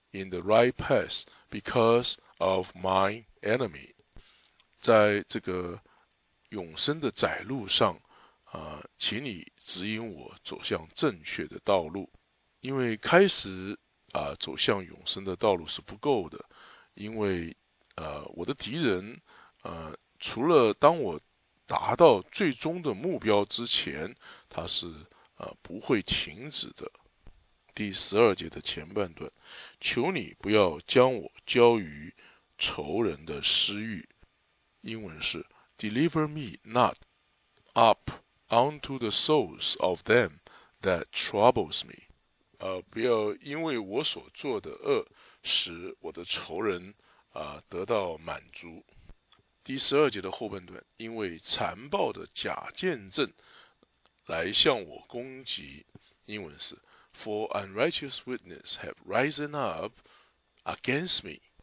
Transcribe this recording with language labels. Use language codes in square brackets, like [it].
[en] in the right path because of my enemy. [zh] 在这个永生的窄路上，请你指引我走向正确的道路。因为开始走向永生的道路是不够的，因为我的敌人除了当我达到最终的目标之前，他是不会停止的。第十二节的前半段，求你不要将我交于仇人的私欲。英文是 [en] Deliver me not up unto the souls of them that troubles me. [zh] 不要因为我所做的恶使我的仇人得到满足。第十二节的后半段，因为残暴的假见证来向我攻击。英文是 [en] For unrighteous witness have risen up against me.